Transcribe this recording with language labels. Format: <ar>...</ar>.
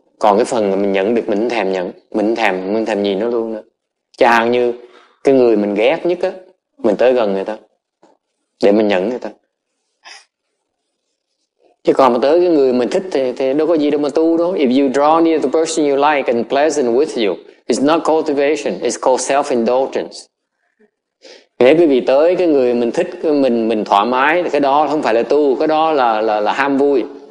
<vi>Còn cái phần mà mình nhận được mình thèm nhận. Mình thèm nhìn nó luôn đó. Chẳng như cái người mình ghét nhất á, mình tới gần người ta để mình nhận người ta. Chứ còn mà tới cái người mình thích thì đâu có gì đâu mà tu đâu.</vi> <en>If you draw near the person you like and pleasant with you, it's not cultivation, it's called self-indulgence.</en> <vi>Nếu quý vị tới cái người mình thích, mình thoải mái, cái đó không phải là tu, cái đó là ham vui.</vi>